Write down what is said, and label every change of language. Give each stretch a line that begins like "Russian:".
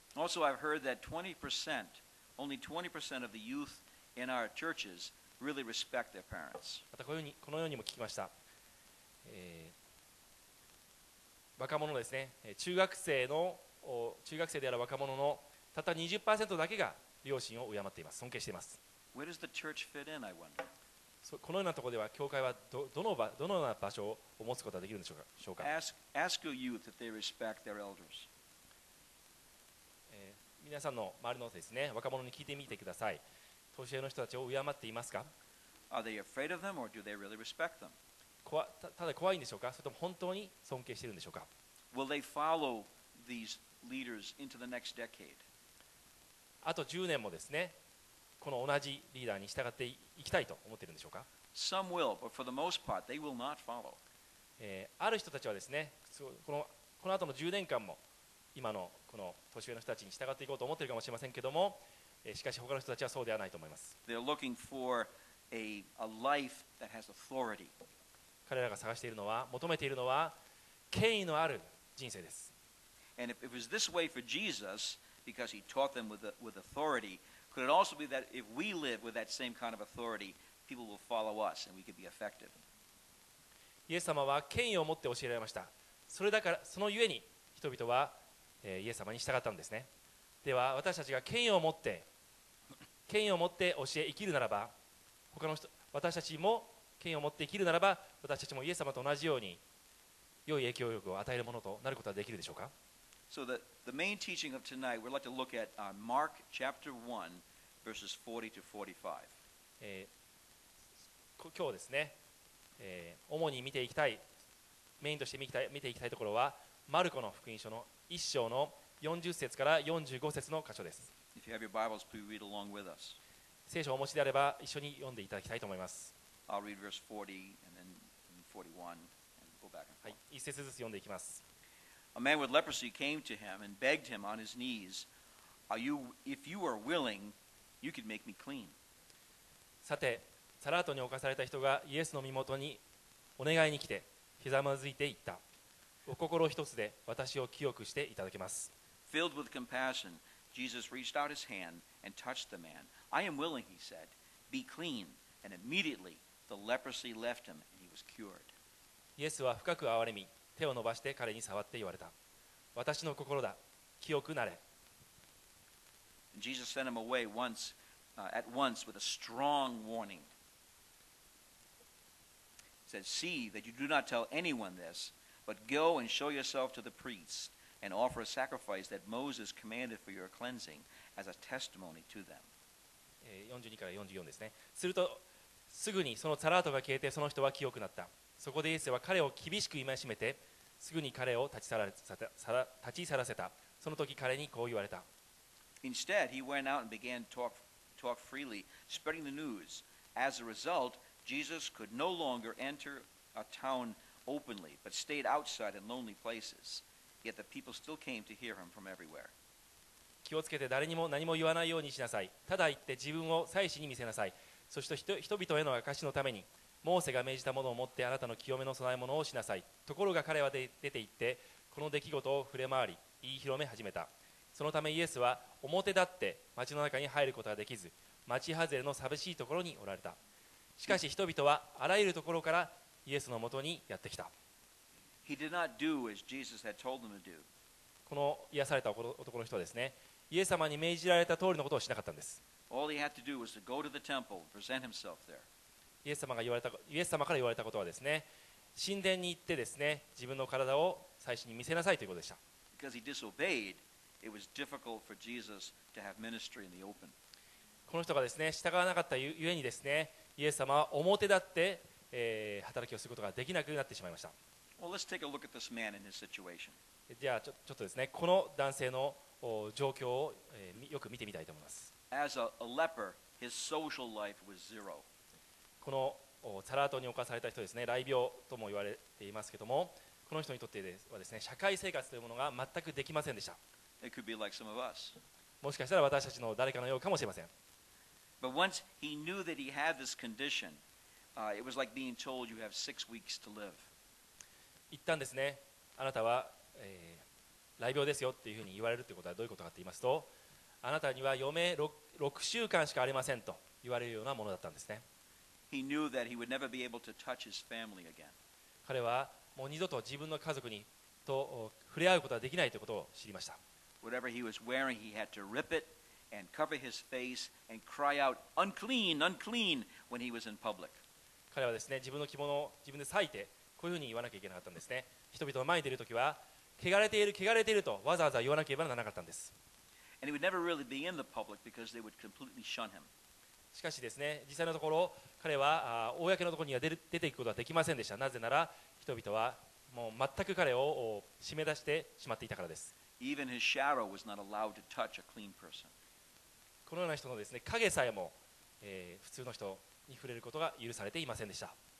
English: Also, I've heard that 20%, only 20% of the youth in our churches really respect their parents.
Japanese: またこのようにも聞きました。若者ですね、中学生である若者のたった 20% だけが両親を敬っています、尊敬しています。
English: Where does the church fit in, I wonder?
Japanese: このようなところでは教会は どのような場所を持つことができるんでしょうか。
English: ask your youth that they respect their elders.
Japanese: 皆さんの周りのです、ね、若者に聞いてみてください。年上の人たちを敬っていますか。
English: Are they afraid of them or do they really respect them?
Japanese: ただ怖いんでしょうか、それとも本当に尊敬しているんでしょうか。
English: Will they follow these leaders into the next decade?
Japanese: あと10年もですね、この同じリーダーに従っていきたいと思っているんでしょうか。
English: Some will, but for the most part, they will not follow.
Japanese: ある人たちはですね、この後の10年間も今のこの年上の人たちに従っていこうと思っているかもしれませんけども、しかし他の人たちはそうではないと思います。
English: They're looking for a life that has authority.
Japanese: 彼らが探しているのは、求めているのは権威のある人生です。
English: And if it was this way for Jesus, because he taught them with authority, could it also be that if we live with that same kind of authority, people will follow us and we could be effective?
Japanese: イエス様は権威を持って教えられました。それだからそのゆえに人々はイエス様に従ったんですね。では私たちが権威を持って教え生きるならば、他の人私たちも権威を持って生きるならば、私たちもイエス様と同じように良い影響力を与えるものとなることはできるでしょうか。
English: So the main teaching of tonight, we'd like to look at Mark chapter 1, verses 40 to 45.
Japanese: 今日ですね、主に見ていきたい、メインとして見ていきたいところは、マルコの福音書の1章の40節から45節の箇所です。
English: If you have your Bibles, please read along with us.
Japanese: 聖書をお持ちであれば、一緒に読んでいただきたいと思います。
English: I'll read verse 40 and then 41 and go back and forth.
Japanese: はい、1節ずつ読んでいきます。
English: A man with leprosy came to him and begged him on his knees, if you are willing, you could make me clean.
Japanese: さて、サラートに侵された人がイエスの身元にお願いに来て、ひざまずいて言った。お心一つで私を清くしていただけます。
English: Filled with compassion, Jesus reached out his hand and touched the man. I am willing, he said, be clean. And immediately the leprosy left him and he was cured.
Japanese: イエスは深く哀れみ、手を伸ばして彼に触って言われた。私の心だ、清くなれ。
English: Jesus sent him away at once with a strong warning. He said, See that you do not tell anyone this, but go and show yourself to the priests and offer a sacrifice that Moses commanded for your cleansing as a testimony to them.
Japanese: 42から44ですね。するとすぐにそのサラートが消えて、その人は清くなった。そこでイエスは彼を厳しく戒めて、すぐに彼を立ち去らせた。その時彼にこう言われた。
English: Instead, he went out and began talk freely, spreading the news. As a result, Jesus could no longer enter a town openly, but stayed outside in lonely places. Yet the people still came to hear him from everywhere.
Japanese: 気をつけて誰にも何も言わないようにしなさい。ただ言って自分を祭司に見せなさい。そして人々への証のために、モーセが命じたものを持ってあなたの清めの供え物をしなさい。ところが彼は出て行って、この出来事を触れ回り、言い広め始めた。そのためイエスは表立って町の中に入ることができず、町外れの寂しいところにおられた。しかし人々はあらゆるところからイエスのもとにやってきた。
English: He did not do as Jesus had told them to do.
Japanese: この癒された男の人はですね、イエス様に命じられた通りのことをしなかったんです。
English: All he had to do was to go to the temple, present himself there.
Japanese: イエス様から言われたことはですね、神殿に行ってですね、自分の体を祭司に見せなさいということでした。
English: Because he disobeyed, it was difficult for Jesus to have ministry in the open.
Japanese: この人がですね、従わなかったゆえにですね、イエス様は表立って、働きをすることができなくなってしまいました。
English: Well, let's take a look at this man and his situation.
Japanese: ではちょっとですね、この男性の状況を、よく見てみたいと思います。
English: As a leper, his social life was zero.
Japanese: このサラートに侵された人ですね、雷病とも言われていますけども、この人にとってはですね、社会生活というものが全くできませんでした。
English: It could be like some of us.
Japanese: もしかしたら私たちの誰かのようかもしれません。
English: But once he knew that he had this condition, it was like being told you have 6 weeks to live.
Japanese: 一旦ですね、あなたは、雷病ですよっていうふうに言われるということはどういうことかと言いますと、あなたには余命 6週間しかありませんと言われるようなものだったんですね。
English: He knew that he would never be able to touch his family again.
Japanese: 彼はもう二度と自分の家族にと触れ合うことはできないということを知りました。
English: Whatever he was wearing, he had to rip it and cover his face and cry out, unclean, unclean, when he was in public.
Japanese: 彼はですね、自分の着物を自分で裂いて、こういうふうに言わなきゃいけなかったんですね。人々の前に出るときは、汚れている、汚れているとわざわざ言わなければならなかったんです。
English: And he would never really be in the public because they would completely shun him.
Japanese: しかしですね、実際のところ彼は公のところには出ていくことはできませんでした。なぜなら人々はもう全く彼を締め出してしまっていたからです。
English: Even his shadow was not allowed to touch a clean person.
Japanese: このような人のですね、影さえも、普通の人に触れることが許されていませんでした。